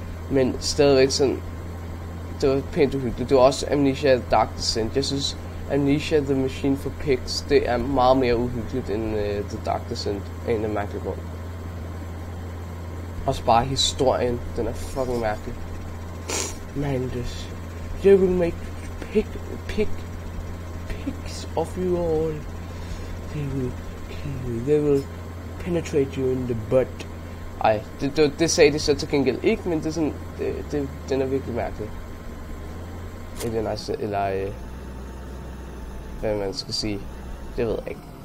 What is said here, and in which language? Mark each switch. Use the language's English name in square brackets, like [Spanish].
[Danish] Men stadigvæk sådan, det var pænt uhyggeligt. Det var også Amnesia The Dark Descender. Jeg synes, Amnesia The Machine for Pigs, det er meget mere uhyggeligt end The Dark Descent af en af mærkelig grund. Også bare historien, den er fucking mærkelig. [English] Mandus, you will make pigs of you all. They will kill you, they will penetrate you in the butt. [Danish] Ej, det sagde de så til gengæld ikke, men det er sådan, den er virkelig mærkelig. Alien Isolation, eller hvad man skal sige, det ved jeg ikke.